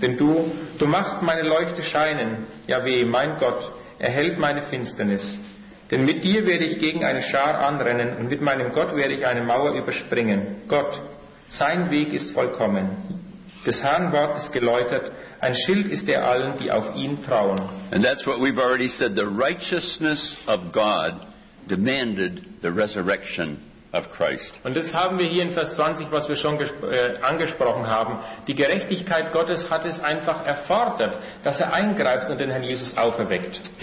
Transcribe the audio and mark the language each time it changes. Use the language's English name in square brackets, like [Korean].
[German] Denn du machst meine Leuchte scheinen, Jahweh, mein Gott, erhellt meine Finsternis. Denn mit dir werde ich gegen eine Schar anrennen und mit meinem Gott werde ich eine Mauer überspringen. Gott, sein Weg ist vollkommen. Des Herrn Wort ist geläutert, ein Schild ist er allen, die auf ihn trauen. [English] And that's what we've already said, the righteousness of God demanded the resurrection of Christ. [German] Und das haben wir hier in Vers 20, was wir schon angesprochen haben. Die Gerechtigkeit Gottes hat es einfach erfordert, dass er eingreift und den Herrn Jesus auferweckt.